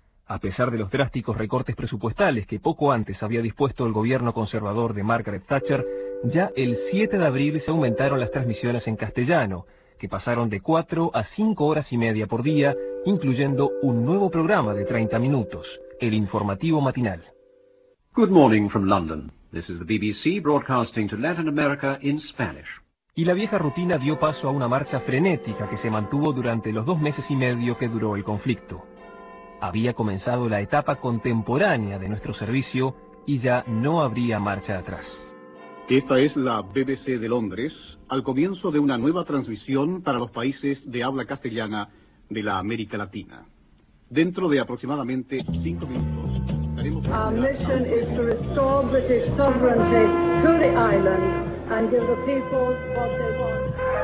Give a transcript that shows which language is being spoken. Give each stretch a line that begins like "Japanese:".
Spanish: A pesar de los drásticos recortes presupuestales que poco antes había dispuesto el gobierno conservador de Margaret Thatcher, ya el 7 de abril se aumentaron las transmisiones en castellano, que pasaron de 4 a 5 horas y media por día, incluyendo un nuevo programa de 30 minutos, el informativo matinal.
English: Good morning from London. This is the BBC broadcasting to Latin America in Spanish.
Spanish: Y la vieja rutina dio paso a una marcha frenética que se mantuvo durante los 2 meses y medio que duró el conflicto. Había comenzado la etapa contemporánea de nuestro servicio y ya no habría marcha atrás. Esta es la BBC de Londres, al comienzo de una nueva transmisión para los países de habla castellana de la América Latina. Dentro de aproximadamente 5 minutos...
English: Our mission is to restore British sovereignty to the island and give the people what they want.